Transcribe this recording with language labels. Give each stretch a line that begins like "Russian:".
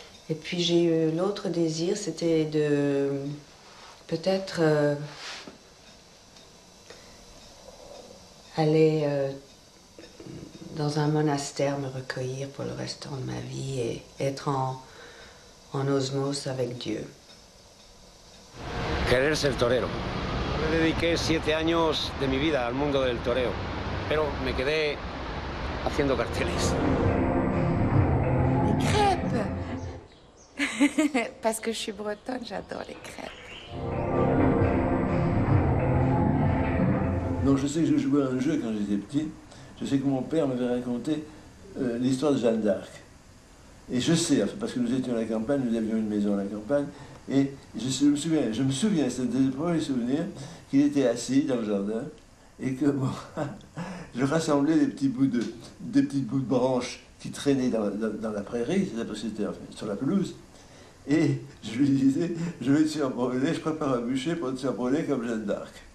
French: Et puis j'ai eu l'autre désir, c'était de peut-être aller dans un monastère, me recueillir pour le restant de ma vie et être en osmose avec Dieu.
Spanish: Querer ser torero. Me dediqué 7 años de mi vida al mundo del toreo, pero me quedé haciendo carteles.
French: Les crêpes. Parce que je suis bretonne, j'adore les crêpes. Non, je sais que je jouais à un jeu quand j'étais petit. Je sais que mon père m'avait raconté l'histoire de Jeanne d'Arc. Et je sais, parce que nous étions à la campagne, nous avions une maison à la campagne, et je me souviens, c'est un des premiers souvenirs, qu'il était assis dans le jardin et que bon, je rassemblais des petits bouts de branches qui traînaient dans la prairie, c'est parce que c'était enfin, sur la pelouse, et je lui disais, je vais te faire brûler, je prépare un bûcher pour te faire brûler comme Jeanne d'Arc.